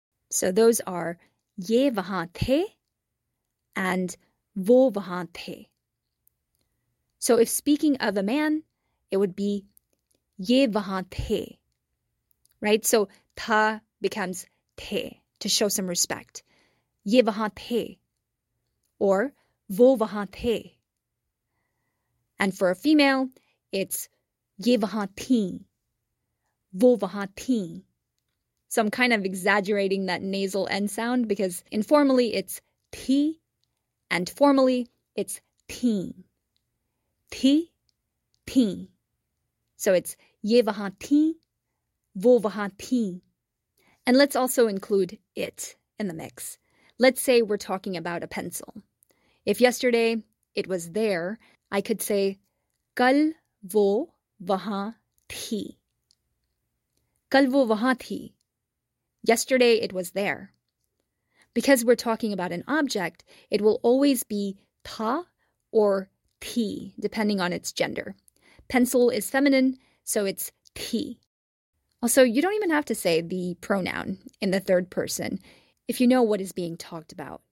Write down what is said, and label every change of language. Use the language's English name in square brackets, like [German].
[English] So those are [Hindi] ye vahan the [English] and [Hindi] vo vahan the. [English] So if speaking of a man, it would be [Hindi] ye vahan the, [English] right? So ta becomes te to show some respect. [Hindi] Ye vahan the, [English] or [Hindi] वो वहां थे. [English] And for a female, it's [Hindi] ये वहां थी, वो वहां थी. [English] So I'm kind of exaggerating that nasal end sound because informally it's थी and formally it's थी. [Hindi] थी, थी. [English] So it's [Hindi] ये वहां थी, वो वहां थी. [English] And let's also include it in the mix. Let's say we're talking about a pencil. If yesterday it was there, I could say [Hindi] कल वो वहां थी. कल वो वहां थी. [English] Yesterday it was there. Because we're talking about an object, it will always be था or थी, depending on its gender. Pencil is feminine, so it's थी. Also, you don't even have to say the pronoun in the third person if you know what is being talked about.